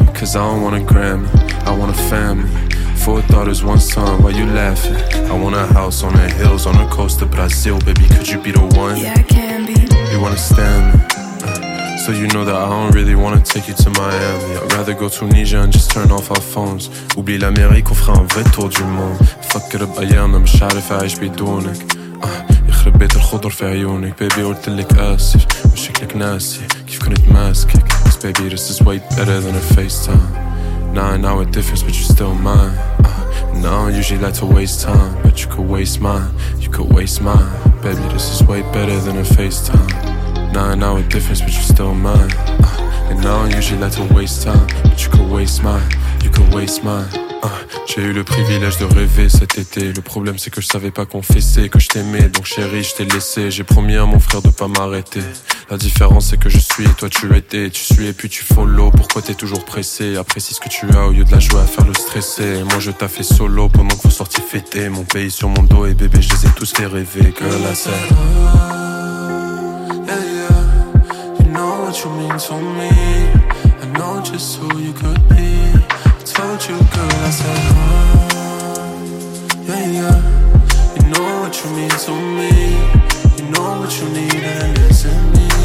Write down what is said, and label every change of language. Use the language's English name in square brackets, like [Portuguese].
[English] Cause I don't want a Grammy, I want a family. 4 daughters, 1 son, why you laughing? I want a house on the hills, on the coast of Brazil. Baby, could you be the one? Yeah, I can be. You wanna stand me? So you know that I don't really wanna take you to Miami. I'd rather go to Tunisia and just turn off our phones. [French] Oublie l'Amérique, on fera un vrai tour du monde. [English] Fuck it up, I am, I'm sharif, I should be doing it. [Arabic] يخرب بيت الخضر في عيونك. Baby, قلت لك آسف وشكلك ناسي كيف كنت ماسكك. [English] Cause baby, this is way better than a FaceTime. 9 hour difference, but you're still mine. And I don't usually like to waste time, but you could waste mine, you could waste mine. Baby, this is way better than a FaceTime. 9 hour difference, but you're still mine. And I don't usually like to waste time, but you could waste mine, you could waste mine. [French] J'ai eu le privilège de rêver cet été. Le problème c'est que je savais pas confesser que je t'aimais. Donc chérie, je t'ai laissé. J'ai promis à mon frère de pas m'arrêter. La différence c'est que je suis et toi tu étais. Tu suis et puis tu follow. Pourquoi t'es toujours pressé? Apprécie ce que tu as au lieu de la jouer à faire le stressé. Et moi je t'ai fait solo pendant que vous sortiez fêter. Mon pays sur mon dos et bébé je les ai tous fait rêver. Que la scène. [English] Yeah, yeah. You know what you mean to me. I know just who you could be. Told you, girl, I said, yeah, yeah. You know what you mean to me. You know what you need, and it's in me.